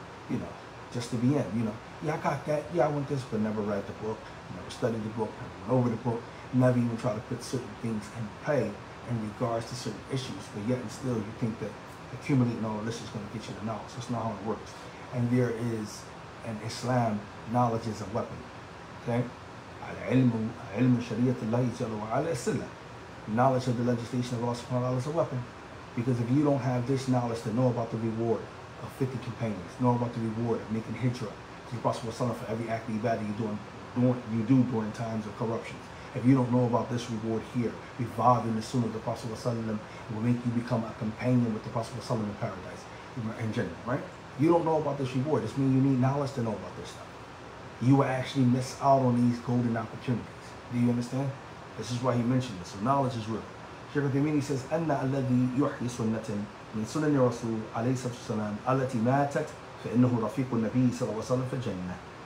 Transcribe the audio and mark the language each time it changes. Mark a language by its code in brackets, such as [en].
[en] You know, yeah, I got that, yeah, I want this, but never read the book, never studied the book, never went over the book, never even try to put certain things in play in regards to certain issues, but yet and still you think that accumulating all of this is going to get you the knowledge. That's not how it works. And there is an Islam, knowledge is a weapon. Okay? [ar] علم شريعة الله جل وعلا سلّم. [en] Knowledge of the legislation of Allah subhanahu wa ta'ala is a weapon. Because if you don't have this knowledge to know about the reward of 50 companions, know about the reward of making hijrah to the Prophet ﷺ for every act of ibadah you do during times of corruption, if you don't know about this reward here, reviving the sunnah of the Prophet ﷺ will make you become a companion with the Prophet ﷺ in paradise, in general, right? You don't know about this reward. This means you need knowledge to know about this stuff. You will actually miss out on these golden opportunities. Do you understand? This is why he mentioned this. So knowledge is real. Sheikh Uthaymeen says, [ar] أَنَّ أَلَّذِي يُحْيِي سُنَّةً مِنْ سُنَنِ رَسُولُ عَلَيْهِ صَلَّى اللَّهُ عَلَيْهِ وَسَلَّمَ أَلَّتِي مَاتَتْ فَإِنَّهُ رَفِيقُ النَّبِيِّ صَلَّى اللَّهُ عَلَيْهِ وَسَلَّمَ فِي الْجَنَّةِ.